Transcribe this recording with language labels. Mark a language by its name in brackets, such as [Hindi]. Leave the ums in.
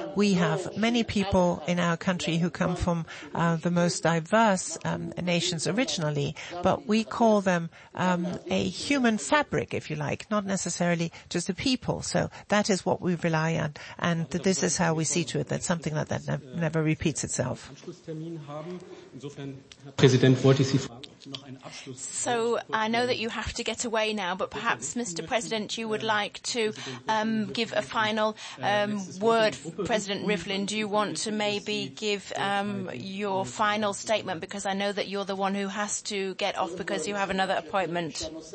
[English] We have many people in our country who come from uh, the most diverse um, nations originally, but we call them um, a human fabric, if you like, not necessarily just a people. So that is what we rely on, and this is how we see to it that something like that ne- never repeats itself. [German] Anschlusstermin haben. Insofern, Herr Präsident, wollte ich Sie fragen, ob Sie noch einen Abschluss. [English] So I know that you have to get away now, but perhaps, Mr. President, you would like to um, give a final um, word. President Rivlin, do you want to maybe give um, your final statement? Because I know that you're the one who has to get off because you have another appointment.